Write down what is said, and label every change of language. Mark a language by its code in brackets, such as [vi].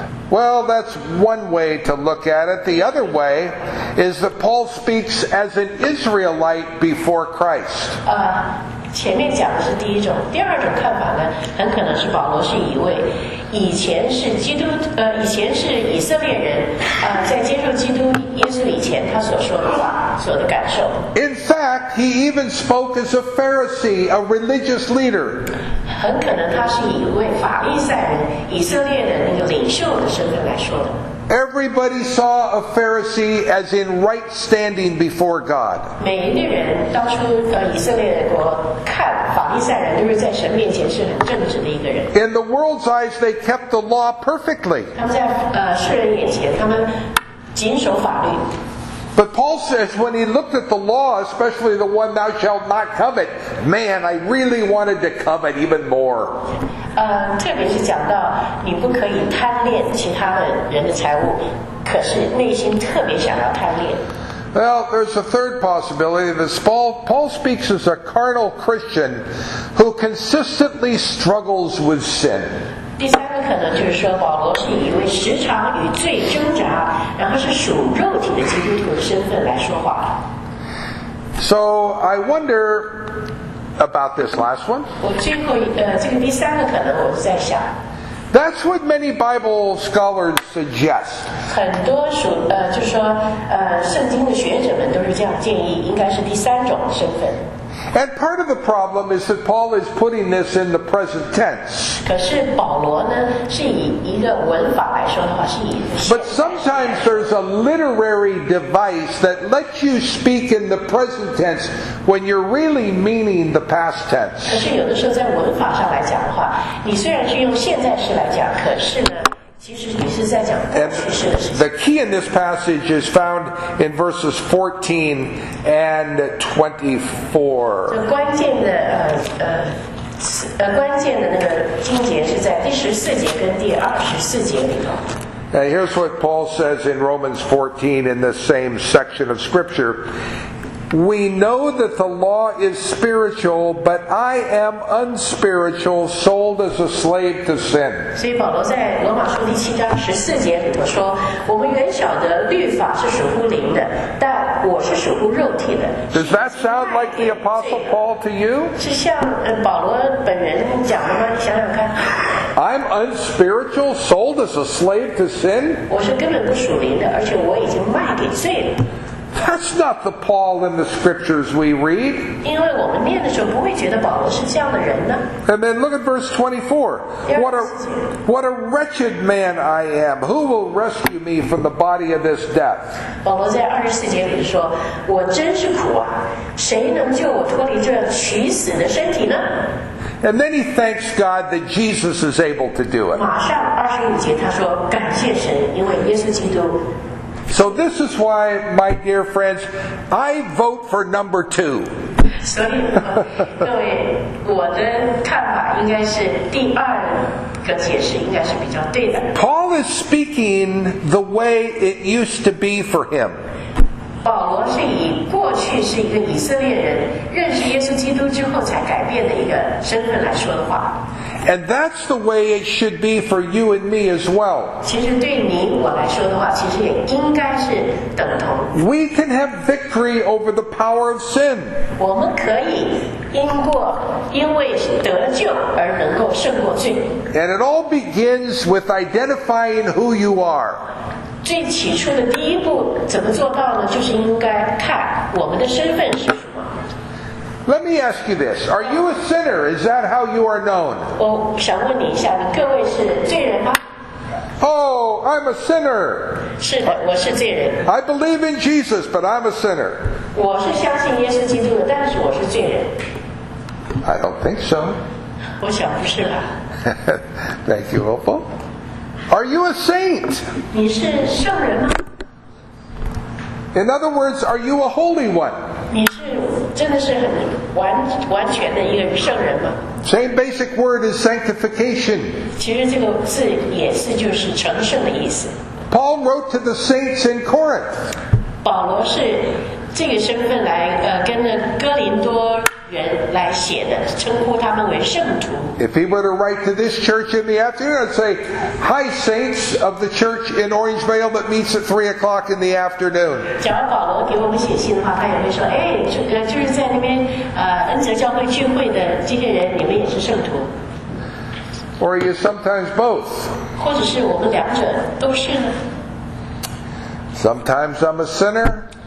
[en] Well, that's one way to look at it. The other way is that Paul speaks as an Israelite before Christ. [zh] 前面讲的是第一种，第二种看法呢，很可能是保罗是一位以前是基督，以前是以色列人，在接受基督耶稣以前，他所说的话，所的感受。 [en] In fact, he even spoke as a Pharisee, a religious leader. [zh] 很可能他是以一位法利赛人，以色列的那个领袖的身份来说的。 [en] Everybody saw a Pharisee as in right standing before God. [zh] 每一个人当初以色列国看法利赛人，就是在神面前是很正直的一个人。 [en] In the world's eyes, they kept the law perfectly. [zh] 他们在世人眼前，他们谨守法律。 [en] But Paul says when he looked at the law, especially the one thou shalt not covet, man, I really wanted to covet even more. [zh] 特别是讲到你不可以贪恋其他人的财物，可是内心特别想要贪恋。 [en] Well, there's a third possibility. That Paul speaks as a carnal Christian who consistently struggles with sin. [zh] 第三个可能就是说，保罗是以一位时常与罪挣扎，然后是属肉体的基督徒的身份来说话。 [en] So I wonder about this last one. [zh] 我最后这个第三个可能，我是在想。 [en] That's what many Bible scholars suggest. [zh] 很多属就说圣经的学者们都是这样建议，应该是第三种身份。 [en] And part of the problem is that Paul is putting this in the present tense. [zh] 可是保罗呢，是以一个文法来说的话，是以。 [en] But sometimes there's a literary device that lets you speak in the present tense when you're really meaning the past tense. [zh] 可是有的时候在文法上来讲的话，你虽然是用现在时来讲，可是呢。 [en] And the key in this passage is found in verses 14 and 24. [zh] 关键的那个经节是在第十四节跟第二十四节里头。 [en] Now here's what Paul says in Romans 14 in this same section of scripture. We know that the law is spiritual, but I am unspiritual, sold as a slave to sin. [zh] 所以保罗在罗马书第七章十四节里头说，我们原晓得律法是属乎灵的，但我是属乎肉体的。 [en] Does that sound like the Apostle Paul to you? [zh] 是像保罗本人讲的吗？你想想看。 [en] I'm unspiritual, sold as a slave to sin. [zh] 我是根本不属灵的，而且我已经卖给罪了。 [en] That's not the Paul in the scriptures we read. [zh] 因为我们念的时候不会觉得保罗是这样的人呢。 [en] And then look at verse 24. What a wretched man I am. Who will rescue me from the body of this death? [zh] 保罗在二十四节里说，我真是苦啊，谁能救我脱离这取死的身体呢？ [en] And then he thanks God that Jesus is able to do it. [zh] 马上二十五节他说，感谢神，因为耶稣基督。 [en] So this is why, my dear friends, I vote for number two. [zh] 所以各位，我的看法应该是第二个解释应该是比较对的。 [en] Paul is speaking the way it used to be for him. [zh] 保罗是以过去是一个以色列人，认识耶稣基督之后才改变的一个身份来说的话。 [en] And that's the way it should be for you and me as well. [zh] 其实对你我来说的话，其实也应该是等同。 [en] We can have victory over the power of sin. [zh] 我们可以因为得了救而能够胜过罪。 [en] And it all begins with identifying who you are. [zh] 最起初的第一步怎么做到呢？就是应该看我们的身份是。 [en] Let me ask you this. Are you a sinner? Is that how you are known? [zh] 我想问你一下，你各位是罪人吗？ [en] Oh, I'm a sinner. [zh] 是的，我是罪人。 [en] I believe in Jesus, but I'm a sinner. [zh] 我是相信耶稣基督的，但是我是罪人。 [en] I don't think so. [zh] 我想不是吧。 [en] Thank you, Opal. Are you a saint? [zh] 你是圣人吗？ [en] In other words, are you a holy one? [zh] 真的是很 完全的一个圣人吗？ [en] Same basic word is sanctification. [zh] 其实这个字也是就是成圣的意思。 [en] Paul wrote to the saints in Corinth. [zh] 保罗是这个身份来跟哥林多人来写的，称呼他们为圣徒。 [en] If he were to write to this church in the afternoon, I'd say, "Hi, saints of the church in Orange Vale that meets at 3 o'clock in the afternoon." [zh] 假如保罗给我们写信的话，他也会说，哎，就是在那边恩泽教会聚会的这些人，你们也是圣徒。 [en] Or are you sometimes both? [zh] 或者是我们两者都是呢？ [en] Sometimes I'm a sinner.